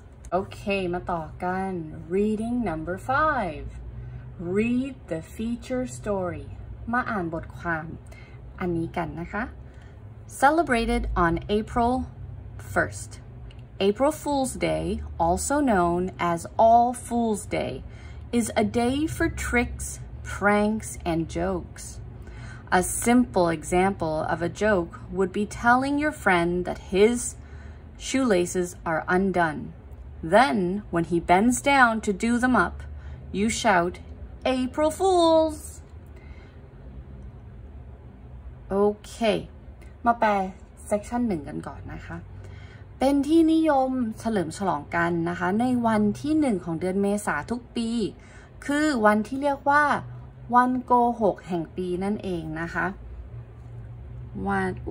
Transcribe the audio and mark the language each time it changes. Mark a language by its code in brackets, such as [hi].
[th] โอเคมาต่อกัน [en] reading number 5 read the feature story [th] มาอ่านบทความอันนี้กันนะคะ [en] celebrated on April 1st April Fool's Day also known as All Fool's Day is a day for tricks pranks and jokes a simple example of a joke would be telling your friend that hisshoelaces are undone. Then, when he bends down to do them up, you shout, April Fools! [th] Okay, มาแปล section 1กันก่อนนะคะ เป็นที่นิยมเฉลิมฉลองกันนะคะในวันที่1ของเดือนเมษาทุกปีคือวันที่เรียกว่าวันโกหกแห่งปีนั่นเองนะคะวัน